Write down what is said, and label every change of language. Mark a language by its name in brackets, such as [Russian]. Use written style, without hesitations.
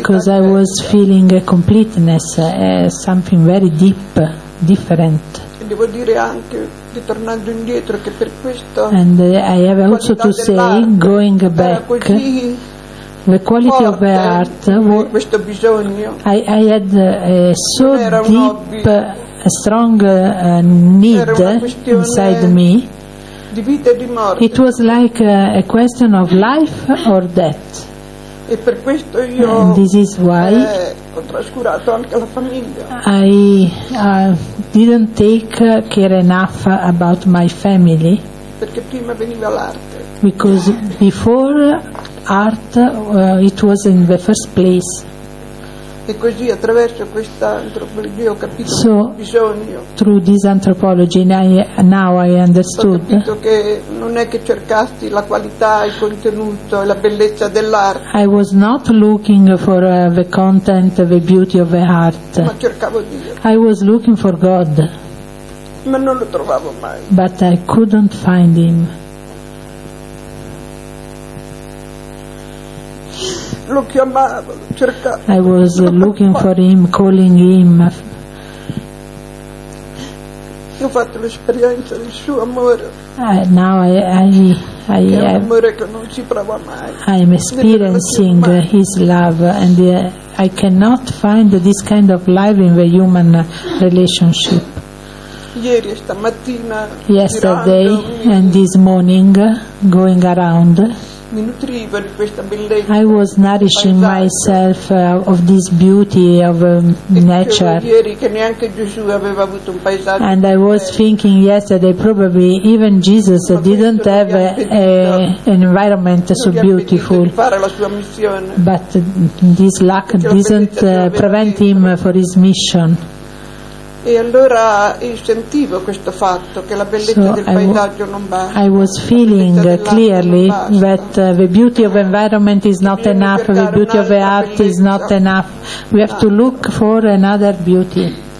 [English] Because I was feeling a completeness, something very deep, different. [Italian] E devo dire anche, ritornando indietro, che per questo. [English] And I have also to say, going back, the quality of the art. [Italian] Questo bisogno. [English] I had a so deep, a strong need inside me. [Italian] Di vita e di morte. [English] It was like a question of life or death. [Italian] E per questo io [English] this is why [Italian] ho trascurato anche la famiglia. [English] I didn't take care enough about my family. [Italian] Perché prima veniva l'arte. [English] Because before art it was in the first place. [Italian] E così attraverso questa antropologia ho capito so, il bisogno. [English] Through this anthropology now I understood. [Italian] Ho capito che non è che cercassi la qualità, il contenuto, la bellezza dell'arte. [English] I was not looking for the content, the beauty of the art. [Italian] Ma cercavo Dio. [English] I was looking for God. [Italian] Ma non lo trovavo mai. [English] But I couldn't find him. [Italian] Lo chiamavo, lo cercavo. [English] I was looking for him, calling him. [Italian] Io ho fatto l'esperienza del suo amore. [English] Now I [Italian] è un amore che non si prova mai. [English] I am experiencing his love and I cannot find this kind of love in the human relationship. [Italian] Ieri e stamattina. [English] Yesterday and this morning, going around. [Italian] mi nutrivo di questa bellezza. [English] I was nourishing myself of this beauty of nature. [Italian] Ieri che neanche Gesù aveva avuto un paesaggio. [English] And I was thinking yesterday probably even Jesus didn't have an environment so beautiful. [Italian] Fare la sua missione. [English] But this lack doesn't prevent him for his mission. [Italian] E allora io sentivo questo fatto che la bellezza del paesaggio non basta. [English] I was feeling clearly that the beauty of environment is not enough, the beauty of the art is not enough. We have to look for another beauty.